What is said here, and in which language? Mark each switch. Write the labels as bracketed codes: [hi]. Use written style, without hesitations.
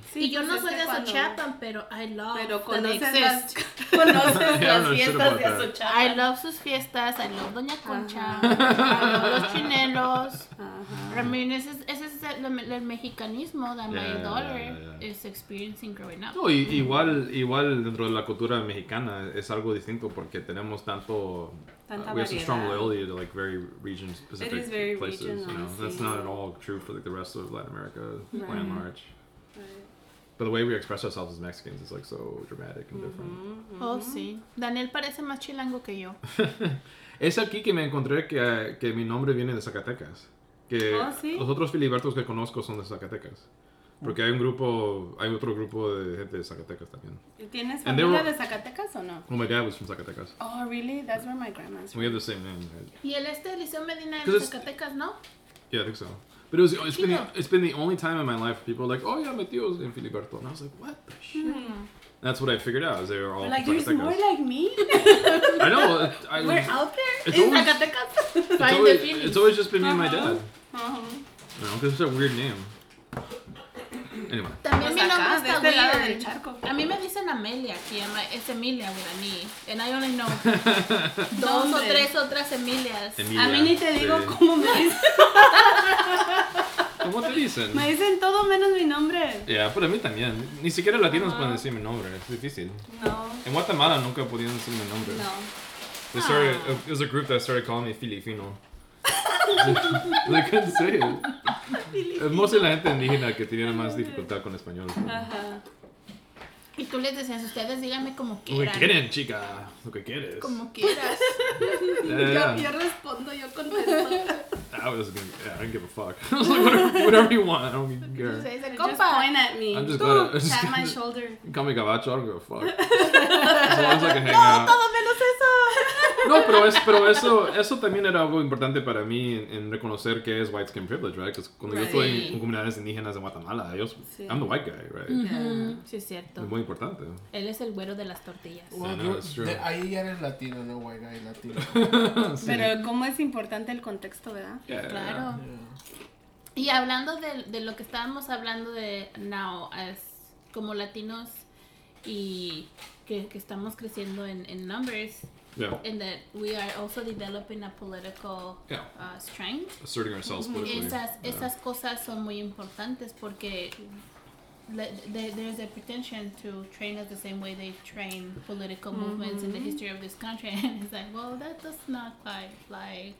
[es] Y yo no soy de Azochapan, pero [en] I love [es] pero [en] that they exist. [es] Conoces las fiestas de Azochapan. [en] I love [es] sus fiestas, [en] I love Doña Concha, I love [es] los chinelos. [en] I mean, [es] ese es [en] that el mexicanismo that my daughter is experiencing growing up. [es] No, igual dentro de la cultura mexicana es algo distinto porque tenemos tanto. [en] We have some strong loyalty to like very region specific places. Regional, you know, that's not at all true for like the rest of Latin America by and large. But the way we express ourselves as Mexicans is like so dramatic and different. Mm-hmm. [es] Mm-hmm. Oh, sí. Daniel parece más chilango que yo. Es aquí que me encontré que mi nombre viene de Zacatecas. Que los otros filibertos que conozco son de Zacatecas. Porque hay otro grupo de gente de Zacatecas también. ¿Tienes familia de Zacatecas o no? [en] Oh, my dad was from Zacatecas. Oh, really? That's where my grandma's from. We have the same name. Right? Y el Liceo Medina es de Zacatecas, ¿no? Yeah, I think so. But it's been the only time in my life where people are like, oh, yeah, my tío's in Filiberto. And I was like, what the shit? Hmm. That's what I figured out, is they were all like, there's more like me? I know. We're out there? It's in always, Zacatecas? It's always just been me and my dad. Uh-huh. You know, because it's a weird name. Anyway. [es] También mi nombre está weird. A mí me dicen Amelia aquí. Es Emilia [en] with an E. And I only know [es] dos o tres otras Emilias. Emilia, a mí ni te digo cómo me dicen. ¿Cómo te dicen? Me dicen todo menos mi nombre. Yeah, pero a mí también. Ni siquiera latinos pueden decir mi nombre. Es difícil. No. En Guatemala nunca podían decir mi nombre. No. [en] It was a group that started calling me Filifino. They couldn't say it. [es] Mostly la gente indígena que tenía más dificultad con español. Ajá. Y tú les decías, ustedes díganme como quieran. Lo que quieren, chica. Lo que quieres. Como quieras. Yo respondo. [en] I don't give a fuck. I was like, whatever you want. I don't even care. Compa. Just point at me. I'm just glad. Tap my shoulder. Call me gabacho. I don't give a fuck. As long as I can hang [es] no, [en] out. [es] No, todo menos eso. No, pero eso también era algo importante para mí en reconocer que es [en] white skin privilege, right? Because [es] cuando yo estoy en comunidades indígenas en Guatemala, [en] I'm the white guy, right? [es] Mm-hmm. Sí, es cierto. Es muy importante. Él es el güero de las tortillas. Ahí ya eres latino, no white guy latino. Sí. Pero cómo es importante el contexto, ¿verdad? [en] Yeah. [es] Claro. [en] Yeah. [es] Y hablando de lo que estábamos hablando de now, as como latinos y que estamos creciendo en numbers... [en] Yeah. And that we are also developing a political strength. Asserting ourselves politically. [es] Esas cosas son muy importantes porque [en] there's a pretension to train us the same way they train political movements in the history of this country. And it's like, well, that does not quite like...